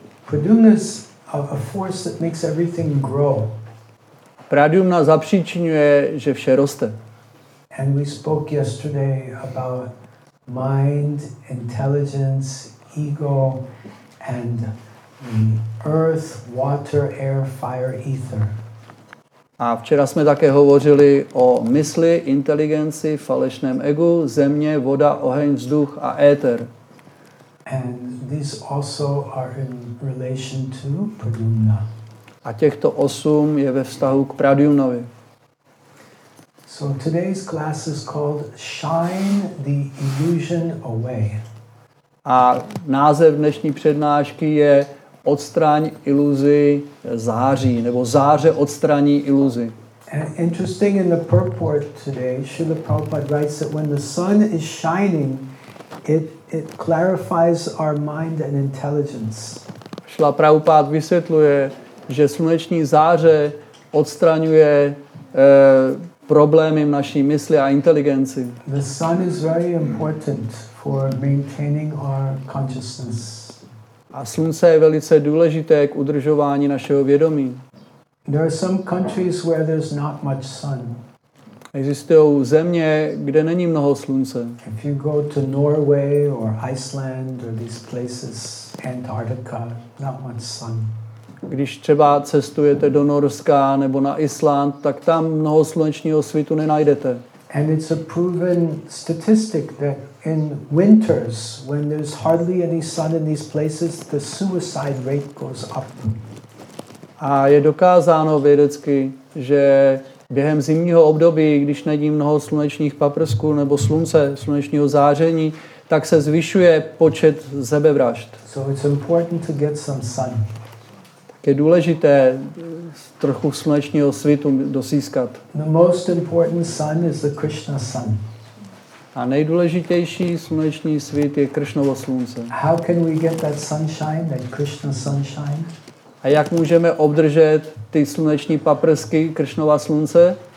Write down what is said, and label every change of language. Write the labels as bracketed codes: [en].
[en] Pradumna is a force that makes everything grow. [cs] Pradumna zapříčinuje, že vše roste. [en] And we spoke yesterday about mind, intelligence, ego and the earth, water, air, fire, ether. [cs] A včera jsme také hovořili o mysli, inteligenci, falešném egu, země, voda, oheň, vzduch a éter. [en] And these also are in relation to Pradyumna. [cs] A těchto osm je ve vztahu k Pradyumnovi. [en] So today's class is called Shine the Illusion Away. [cs] A název dnešní přednášky je Odstraň iluzi září, nebo Záře odstraní iluzi. [en] And interesting in the purport today, Srila Prabhupada writes that when the sun is shining, it clarifies our mind and intelligence. [cs] Srila Prabhupada vysvětluje, že sluneční záře odstraňuje problémy v naší mysli a inteligenci. [en] The sun is very important for maintaining our consciousness. [cs] A slunce je velice důležité k udržování našeho vědomí. [en] There are some countries where there's not much sun. [cs] Existují země, kde není mnoho slunce. [en] If you go to Norway or Iceland or these places, Antarctica, not much sun. [cs] Když třeba cestujete do Norska nebo na Island, tak tam mnoho slunečního svitu nenajdete. [en] And it's a proven statistic that in winters, when there's hardly any sun in these places, the suicide rate goes up. [cs] A je dokázáno vědecky, že během zimního období, když není mnoho slunečních paprsků nebo slunce, slunečního záření, tak se zvyšuje počet sebevražd. [en] So it's important to get some sun. [cs] Je důležité trochu slunečního svitu dosískat. [en] The most important sun is the Krishna sun. [cs] A nejdůležitější sluneční svit je Krishnovo slunce. [en] How can we get that sunshine, that Krishna sunshine? [cs] A jak můžeme obdržet ty sluneční paprsky Krishnova slunce?